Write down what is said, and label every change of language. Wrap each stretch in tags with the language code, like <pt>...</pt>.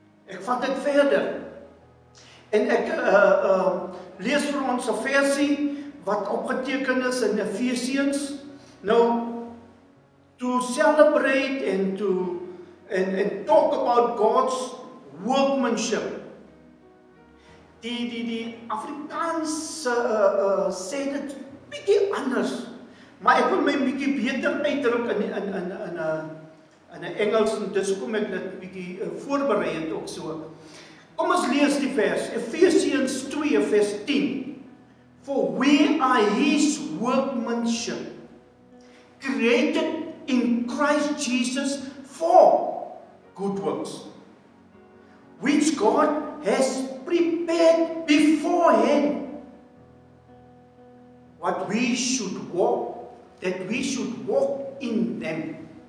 <af>Ek vat dit verder en ek lees vir ons 'n versie wat opgeteken is in Efesiëns.</af> <en>Nou, to celebrate and to and talk about God's workmanship.</en> <af>Die Afrikaanse sê dit bietjie anders, maar ek wil my bietjie beter uitdruk in 'n Engels, en dis hoekom ek dit bietjie voorberei het ook so. Kom ons lees die vers, Efesiëns 2 vers 10.</af> <en>For we are his workmanship, created in Christ Jesus for good works, which God has prepared beforehand what we should walk, that we should walk in them.</en>